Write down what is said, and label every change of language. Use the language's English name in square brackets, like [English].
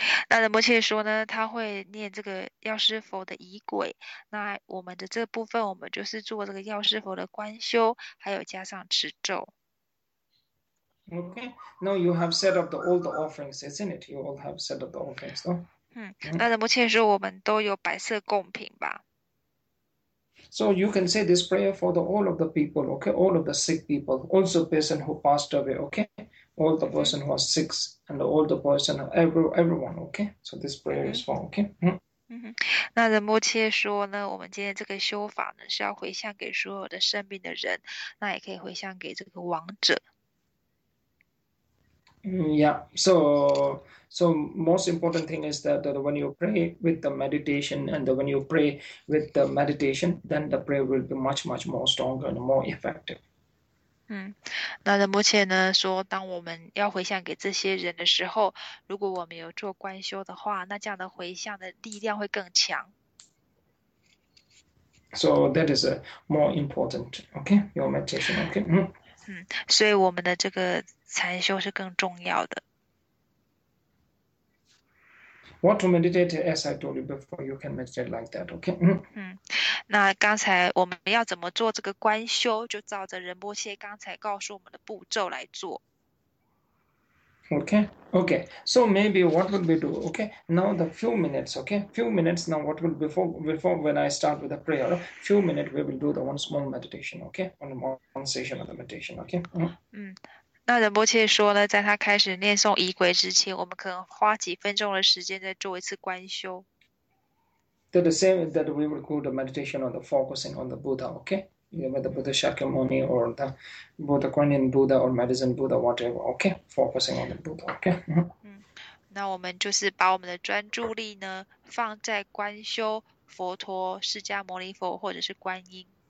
[Chinese] 那仁波切说呢，他会念这个药师佛的仪轨，那我们的这部分我们就是做这个药师佛的观修，还有加上持咒。 [English] Okay, now you have set up all the offerings, isn't it? You all have set up the offerings, no? [Chinese] 那仁波切说我们都有摆设贡品吧。 [English] So you can say this prayer for all of the people, okay? All of the sick people, also person who passed away, okay? All the person who was sick and all the person, everyone, okay? So this prayer is for, okay? [Chinese] 那仁波切说呢，我们今天这个修法呢是要回向给所有的生病的人，那也可以回向给这个亡者。 [English] Yeah, so most important thing is that when you pray with the meditation and when you pray with the meditation, then the prayer will be much, much more stronger and more effective. [Chinese] 那仁波切呢说，当我们要回向给这些人的时候，如果我们有做观修的话，那这样的回向的力量会更强。 [English] So that is a more important, okay? Your meditation, okay? [Chinese] 所以我们的这个禅修是更重要的。 [English] What to meditate? As I told you before, you can meditate like that, okay? [Chinese] 那刚才我们要怎么做这个观修，就照着仁波切刚才告诉我们的步骤来做。 [English] Okay. So maybe what will we do? Okay. Now the few minutes. Okay. Few minutes. Now what will before when I start with the prayer? Few minutes. We will do the one small meditation. Okay. One session of the meditation. Okay. [Chinese] 那仁波切说呢，在他开始念诵仪轨之前，我们可能花几分钟的时间再做一次观修。 [English] The same that we will go to meditation on the focusing on the Buddha, okay? Either with the Buddha Shakyamuni or the Buddha Kuan Yin Buddha or Medicine Buddha, whatever, okay? Focusing on the Buddha, okay? [Chinese] 那我们就是把我们的专注力呢放在观修佛陀、释迦牟尼佛或者是观音。